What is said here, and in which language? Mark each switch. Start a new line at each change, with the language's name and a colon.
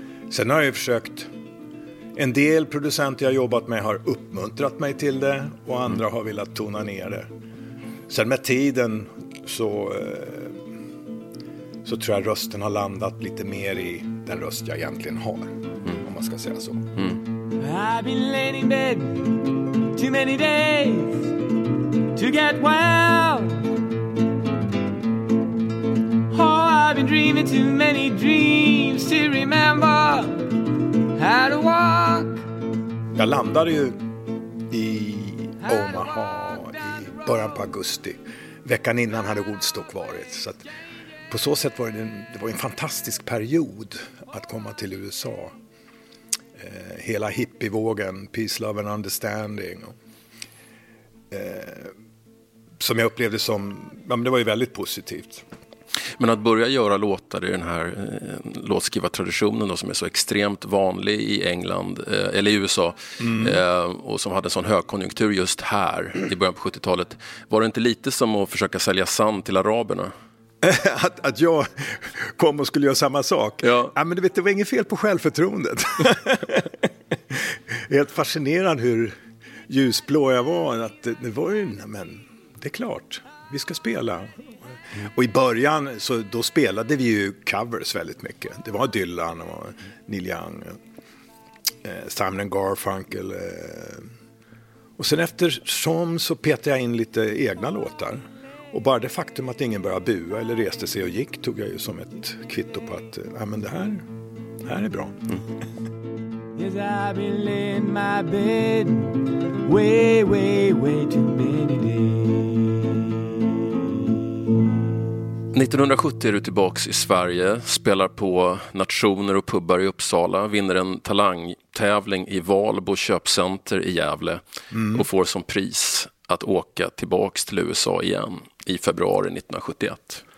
Swedish: Sen har jag ju försökt, en del producenter jag jobbat med har uppmuntrat mig till det. Och andra har velat tona ner det. Sen med tiden så tror jag rösten har landat lite mer i den röst jag egentligen har, om man ska säga så.
English: I've been laying in bed too many days to get well. Oh, I've been dreaming too many dreams to remember how to walk.
Swedish: Jag landade ju i Omaha början på augusti. Veckan innan hade Woodstock varit. Så att på så sätt var det var en fantastisk period att komma till USA. Hela hippievågen,
English: peace, love and understanding.
Swedish: Som jag upplevde som, ja, men det var ju väldigt positivt. Men att börja göra låtar i den här låtskrivartraditionen då, som är så extremt vanlig i England, eller i USA, och som hade en sån högkonjunktur just här i början på 70-talet. Var det inte lite som att försöka sälja sand till araberna? Att jag kom och skulle göra samma sak? Ja. Ja, men du vet, det var inget fel på självförtroendet. Helt fascinerande hur ljusblå jag var. Att det var ju, men det är klart, vi ska spela. Och i början så då spelade vi ju covers väldigt mycket. Det var Dylan och Neil Young, Simon & Garfunkel. Och sen eftersom så petade jag in lite egna låtar. Och bara det faktum att ingen började bua eller reste sig och gick tog jag ju som ett kvitto på att men det här är bra.
English: Yes, I've been laying my bed way, way, way too many days.
Swedish: 1970 är du tillbaks i Sverige, spelar på nationer och pubbar i Uppsala, vinner en talangtävling i Valbo köpcenter i Gävle och får som pris att åka tillbaks till USA igen i februari 1971.